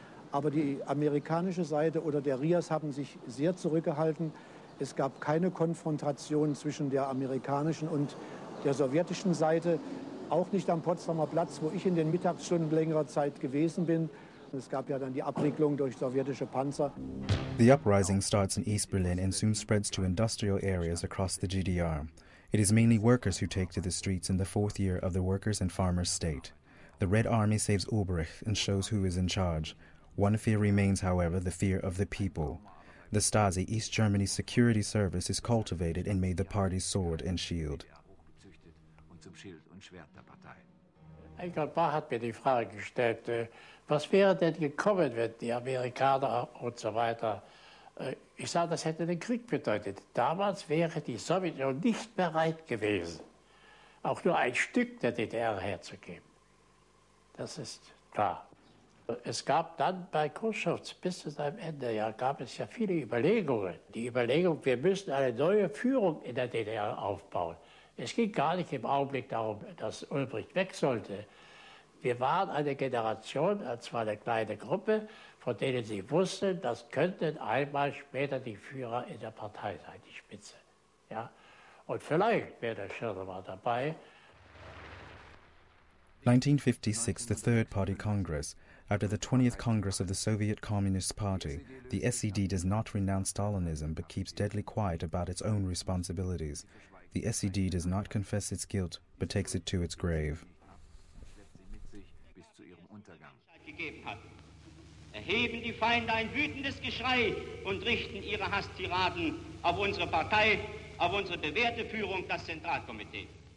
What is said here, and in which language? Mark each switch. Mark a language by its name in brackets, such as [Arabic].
[German] Aber die amerikanische Seite oder der RIAS haben sich sehr zurückgehalten. Es gab keine Konfrontation zwischen der amerikanischen und der sowjetischen Seite. Auch nicht am Potsdamer Platz, wo ich in den Mittagsstunden längerer Zeit gewesen bin. Es gab ja dann die Abriegelung durch sowjetische Panzer. [English] The uprising starts in East Berlin and soon spreads to industrial areas across the GDR. It is mainly workers who take to the streets in the fourth year of the workers' and farmers' state. The Red Army saves Ulbricht and shows who is in charge. One fear remains, however, the fear of the people. The Stasi, East Germany's security service, is cultivated and made the party's sword and shield. [German] Eckhard Bach hat mir die Frage gestellt, was wäre denn gekommen, wenn die Amerikaner und so weiter. Ich sage, das hätte den Krieg bedeutet. Damals wäre die Sowjetunion nicht bereit gewesen, auch nur ein Stück der DDR herzugeben. Das ist klar. Es gab dann bei Khrushchev bis zu seinem Ende, ja, gab es ja viele Überlegungen. Die Überlegung, wir müssen eine neue Führung in der DDR aufbauen. Es ging gar nicht im Augenblick darum, dass Ulbricht weg sollte. Wir waren eine Generation, zwar eine kleine Gruppe, von denen sie wussten, das könnten einmal später die Führer in der Partei sein, die Spitze. Ja? Und vielleicht wäre der Schirner mal dabei. [English] 1956, the Third Party Congress. After the 20th Congress of the Soviet Communist Party, the SED does not renounce Stalinism but keeps deadly quiet about its own responsibilities. The SED does not confess its guilt but takes it to its grave. [German] Erheben die Feinde ein wütendes Geschrei und richten ihre Hasstiraden auf unsere Partei, auf unsere bewährte Führung, das Zentralkomitee.